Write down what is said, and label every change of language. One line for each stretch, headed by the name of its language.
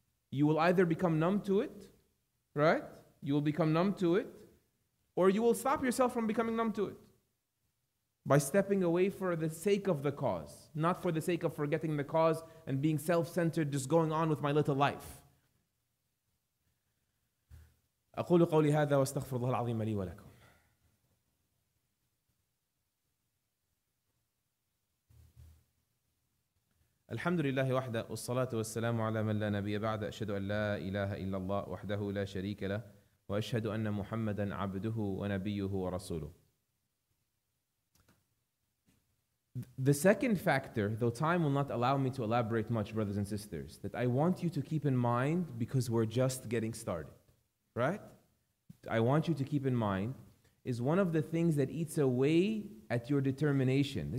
English: You will either become numb to it, right? You will become numb to it, or you will stop yourself from becoming numb to it by stepping away for the sake of the cause, not for the sake of forgetting the cause and being self-centered, just going on with my little life.
Arabic: أقول قولي هذا وأستغفر الله العظيم لي ولكم. الحمد لله وحده، والصلاة والسلام على من لا نبي بعد. أشهد أن لا إله إلا الله وحده لا شريك له، وأشهد أن محمدًا عبده ونبيه ورسوله.
English: The second factor, though time will not allow me to elaborate much, brothers and sisters, that I want you to keep in mind because we're just getting started, right? I want you to keep in mind is one of the things that eats away at your determination.